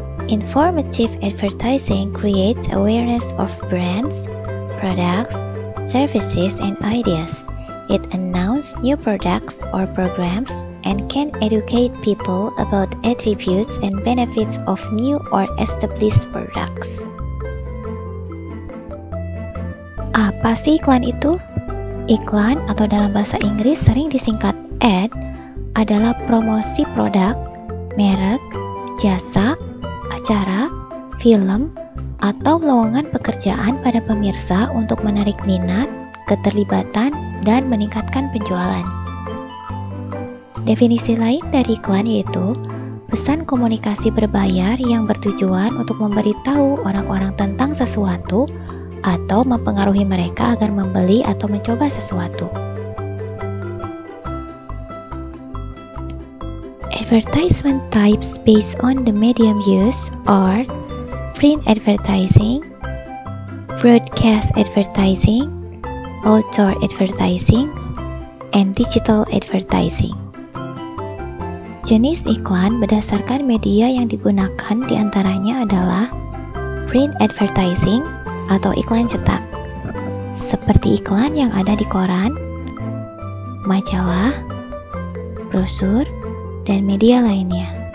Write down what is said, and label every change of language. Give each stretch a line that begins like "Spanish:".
English: Informative advertising creates awareness of brands, products, services, and ideas. It announces new products or programs and can educate people about attributes and benefits of new or established products.
Indonesian: Apa sih iklan itu? Iklan, atau dalam bahasa Inggris sering disingkat ad, adalah promosi produk, merek, jasa, acara, film, atau lowongan pekerjaan pada pemirsa untuk menarik minat, keterlibatan, dan meningkatkan penjualan. Definisi lain dari iklan yaitu pesan komunikasi berbayar yang bertujuan untuk memberitahu orang-orang tentang sesuatu atau mempengaruhi mereka agar membeli atau mencoba sesuatu.
English: Advertisement types based on the medium used are print advertising, broadcast advertising, outdoor advertising, and digital advertising.
Indonesian: Jenis iklan berdasarkan media yang digunakan diantaranya adalah
English: print advertising
Indonesian: atau iklan cetak, seperti iklan yang ada di koran, majalah, brosur, dan media lainnya.